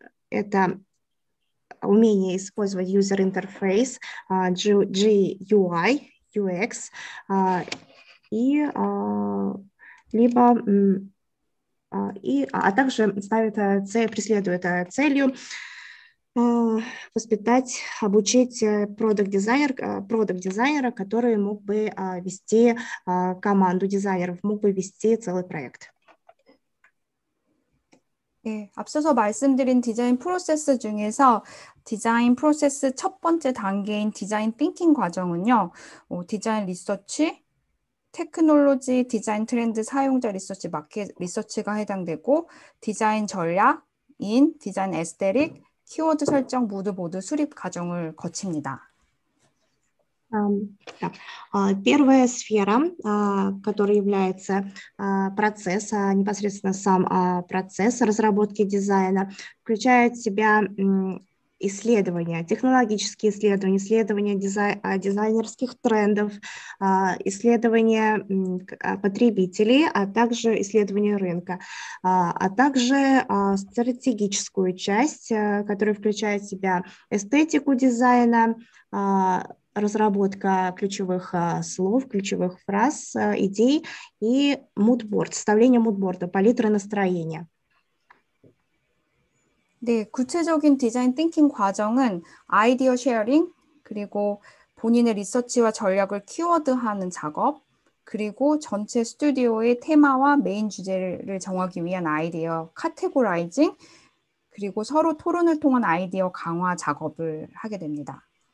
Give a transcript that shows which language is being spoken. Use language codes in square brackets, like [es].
[ru] Это умение использовать user interface, GUI, UX, а также преследует целью воспитать, обучить продакт-дизайнера, который мог бы вести команду дизайнеров, мог бы вести целый проект. [ko] 네, 앞서서 말씀드린 디자인 프로세스 중에서 디자인 프로세스 첫 번째 단계인 디자인 띵킹 과정은요, 디자인 리서치, 테크놀로지, 디자인 트렌드, 사용자 리서치, 마켓 리서치가 해당되고, 디자인 전략인 디자인 에스테릭, 키워드 설정 모두 수립 과정을 거칩니다. [ru] Первая сфера, которая является процесс, непосредственно сам процесс разработки дизайна, включает в себя исследования, технологические исследования, исследования дизайнерских трендов, исследования потребителей, а также исследования рынка, а также стратегическую часть, которая включает в себя эстетику дизайна, разработка ключевых слов, ключевых фраз, идей и мудборд, составление мудборда, палитры настроения. [ko] 네, 구체적인 디자인 띵킹 과정은 아이디어 쉐어링, 그리고 본인의 리서치와 전략을 키워드하는 작업, 그리고 전체 스튜디오의 테마와 메인 주제를 정하기 위한 아이디어 카테고라이징, 그리고 서로 토론을 통한 아이디어 강화 작업을 하게 됩니다.